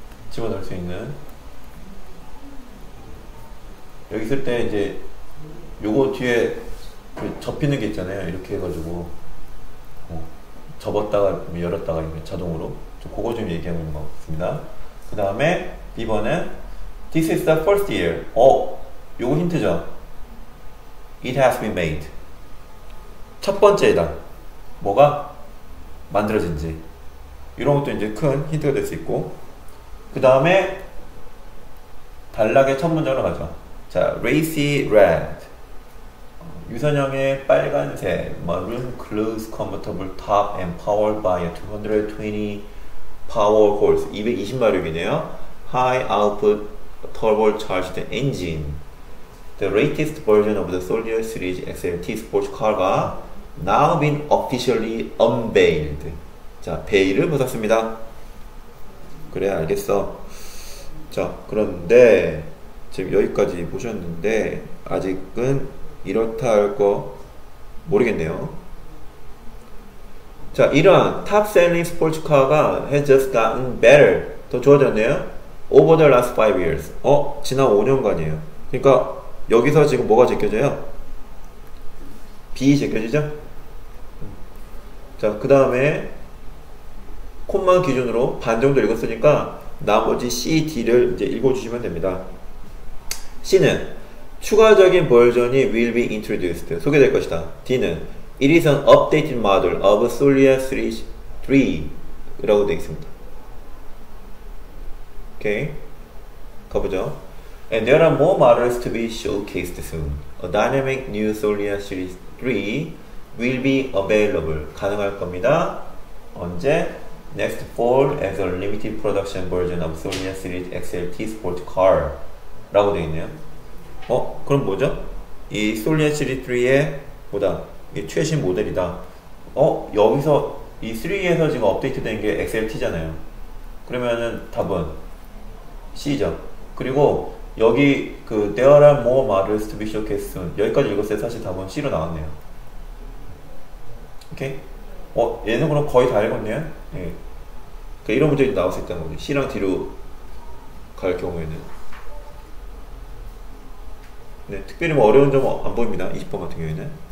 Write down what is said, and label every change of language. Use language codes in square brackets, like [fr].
[ko] 집어넣을 수 있는 여기 있을 때 이제 요거 뒤에 접히는 게 있잖아요. 이렇게 해가지고 접었다가 열었다가 이렇게 자동으로 저 그거 좀 얘기하는 것 같습니다. 그 다음에 B번은 [en] This is the first year. [ko] 요거 힌트죠. [en] It has been made. [ko] 첫 번째에다 뭐가 만들어진지 이런 것도 이제 큰 힌트가 될수 있고. 그 다음에 단락의 첫 문장으로 가죠. [en] 자, racy red, [ko] 유선형의 빨간색, [en] maroon clothes convertible top and powered by a 220 power horse, [ko] 220 마력이네요. [en] High output turbo charged engine. The latest version of the Solia Series XLT sports car가 now been officially unveiled. [ko] 자, 베일을 벗었습니다. 그래, 알겠어. 자, 그런데 지금 여기까지 보셨는데 아직은 이렇다 할거 모르겠네요. 자, 이런 [en] top selling sports car가 has just gotten better. [ko] 더 좋아졌네요. [en] Over the last 5 years. [ko] 지난 5년간이에요. 그러니까 여기서 지금 뭐가 제껴져요? B 제껴지죠? 자, 그 다음에 콤마 기준으로 반 정도 읽었으니까 나머지 C, D를 이제 읽어주시면 됩니다. C는 추가적인 버전이 [en] will be introduced, [ko] 소개될 것이다. [en] D는 it is an updated model of Solia Series 3라고 [ko] 되어 있습니다. 오케이, 가보죠. [en] And there are more models to be showcased soon. A dynamic new Solia Series 3 will be available, [ko] 가능할 겁니다. 언제? [en] Next fall as a limited production version of Solia Series XLT Sport Car [ko] 라고 되어 있네요. 그럼 뭐죠? 이 Solia Series 3의 뭐다? 이게 최신 모델이다. 여기서 이 3에서 지금 업데이트된 게 XLT잖아요. 그러면은 답은 C죠. 그리고 여기 그 [en] There are more models to be showcased soon. [ko] 여기까지 읽었을 때 사실 답은 C로 나왔네요. 오케이? 얘는 그럼 거의 다 읽었네요. 예. 이런 문제도 나올 수 있다는 거죠. C랑 D로 갈 경우에는. 네, 특별히 뭐 어려운 점은 안 보입니다. 20번 같은 경우에는.